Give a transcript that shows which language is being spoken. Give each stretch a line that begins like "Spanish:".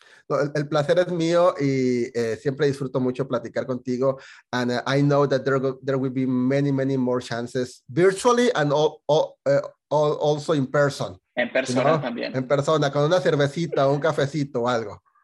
Spanish: No, el placer es mío y siempre disfruto mucho platicar contigo.
English: And I know that there will be many, many more chances virtually and also in person.
Spanish: En persona,
English: you know?
Spanish: También. En persona, con una cervecita o un cafecito o algo.